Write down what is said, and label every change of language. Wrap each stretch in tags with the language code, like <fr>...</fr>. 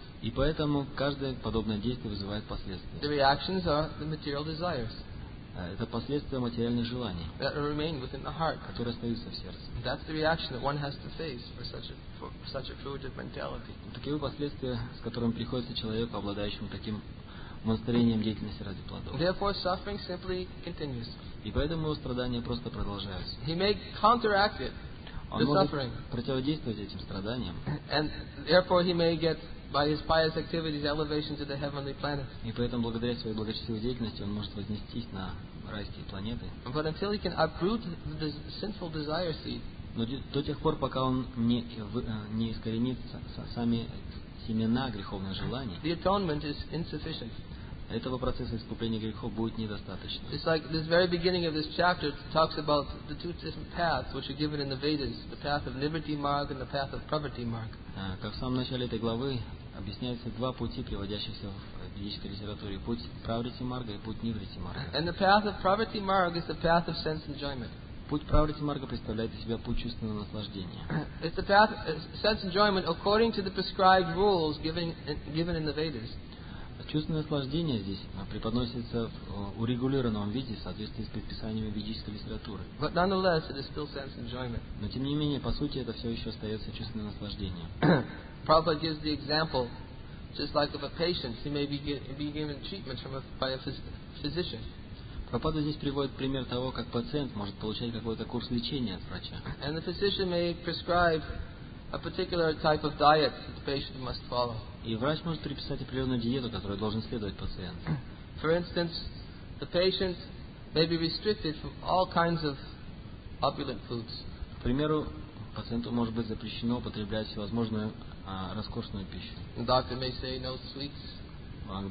<ru>И поэтому каждое подобное действие вызывает последствия.</ru> <en>The reactions are the material desires.</en> <ru>Это последствия материальных желаний,</ru> <en>that remain within the heart,</en> <ru>которые остаются в сердце.</ru> <en>That's the reaction that one has to face for such a fruitive mentality.</en> <ru>Такие последствия, с которыми приходится человеку, обладающему таким монастырением деятельности ради плодов.</ru> <en>Therefore, suffering simply continues.</en> <ru>И поэтому его страдания просто продолжаются.</ru> <en>He may counteract it.</en> <ru>он может противодействовать этим страданиям.</ru> <en>And therefore he may get by his pious activities elevation to the heavenly planets.</en> <ru>И поэтому благодаря своей благочестивой деятельности он может вознестись на райские планеты.</ru> <en>But until he can uproot the sinful desire seed.</en> <ru>Но до тех пор, пока он не искоренит сами семена греховных желаний,</ru> <en>the atonement is insufficient.</en> <ru>Этого процесса искупления грехов будет недостаточно.</ru> <en>It's like this very beginning of this chapter talks about the two different paths which are given in the Vedas, the path of liberty mark and the path of poverty mark.</en> <ru>Как в самом начале этой главы объясняются два пути, приводящихся в ведической литературе: путь Pravriti Marga и путь Nivriti Marga.</ru> <en>And the path of poverty mark is the path of sense enjoyment.</en> <ru>Путь Pravriti Marga представляет из себя путь чувственного наслаждения.</ru> <en>It's the path of sense enjoyment according to the prescribed rules given in the Vedas.</en> <ru>Чувственное наслаждение здесь преподносится в урегулированном виде в соответствии с предписаниями ведической литературы.</ru> <en>But nonetheless, it is still sense enjoyment.</en> <ru>Но тем не менее, по сути, это все еще остается чувственное наслаждение.</ru> <en>Prabhupada gives the example, just like of a patient, he may be given treatment by a physician.</en> <ru>Прабхупада здесь приводит пример того, как пациент может получать какой-то курс лечения от врача.</ru> <en>And the physician may prescribe a particular type of diet that the patient must follow.</en> <ru>И врач может предписать определенную диету, которую должен следовать пациент.</ru> <en>For instance, the patient may be restricted from all kinds of opulent foods.</en> <ru>К примеру, пациенту может быть запрещено употреблять всевозможную роскошную пищу.</ru> <en>The doctor may say no sweets.</en>